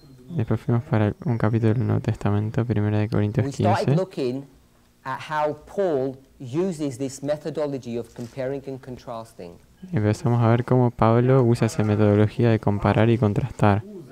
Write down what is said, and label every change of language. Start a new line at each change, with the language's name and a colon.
Spanish: Después fuimos para un capítulo del Nuevo Testamento, 1 de Corintios 15.
English: We started looking at how Paul uses this methodology of comparing and contrasting.
Spanish: Empezamos a ver cómo Pablo usa esa metodología de comparar y contrastar.